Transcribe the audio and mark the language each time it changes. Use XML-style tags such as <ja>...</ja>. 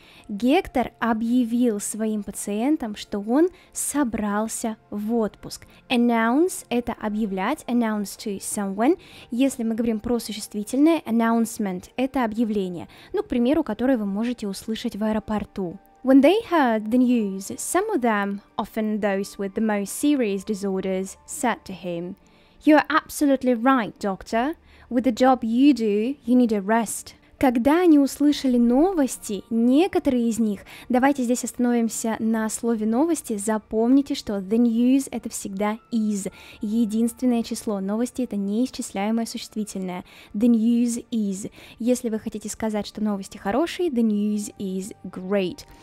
<ru>Гектор объявил своим пациентам, что он собрался в отпуск.</ru> <en>Announce –</en> <ru>это объявлять,</ru> <en>announce to someone.</en> <ru>Если мы говорим про существительное, announcement – это объявление, ну, к примеру, которое вы можете услышать в аэропорту.</ru> <en>When they heard the news, some of them, often those with the most serious disorders, said to him, "You are absolutely right, doctor. With the job you do, you need a rest."</en> <ru>Когда они услышали новости, некоторые из них, давайте здесь остановимся на слове новости, запомните, что</ru> <en>the news</en> <ru>это всегда is, единственное число, новости это неисчисляемое существительное,</ru> <en>the news is.</en> <ru>Если вы хотите сказать, что новости хорошие,</ru> <en>the news is great.</en>